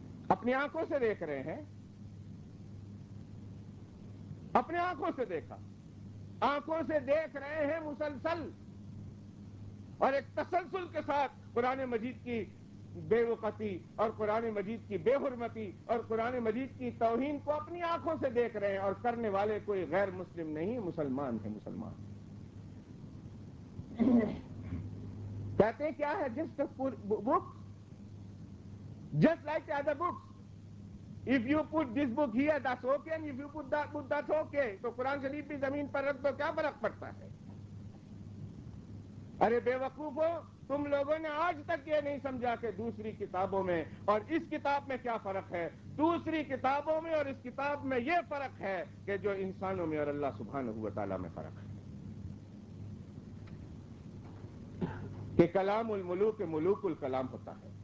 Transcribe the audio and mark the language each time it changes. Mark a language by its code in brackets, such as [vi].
[ur] اپنی آنکھوں سے دیکھ رہے ہیں, اپنے آنکھوں سے دیکھا, آنکھوں سے دیکھ رہے ہیں مسلسل, اور ایک تسلسل کے ساتھ قرآن مجید کی بے وقتی اور قرآن مجید کی بے حرمتی اور قرآن مجید کی توہین کو اپنی آنکھوں سے دیکھ رہے ہیں, اور کرنے والے کوئی غیر مسلم نہیں, مسلمان ہیں. مسلمان کہتے ہیں کیا ہے, [en] Just book, just like other books. If you put this book here, that's okay. And if you put that book, that's okay. [ur] تو قرآن شریف بھی زمین پر رکھ دو, کیا فرق پڑتا ہے؟ ارے بے وقوفو, تم لوگوں نے آج تک یہ نہیں سمجھا کہ دوسری کتابوں میں اور اس کتاب میں کیا فرق ہے. دوسری کتابوں میں اور اس کتاب میں یہ فرق ہے کہ جو انسانوں میں اور اللہ سبحانہ وتعالیٰ میں فرق ہے, کہ [ar] کلام الملوک ملوک الکلام [ur] ہوتا ہے.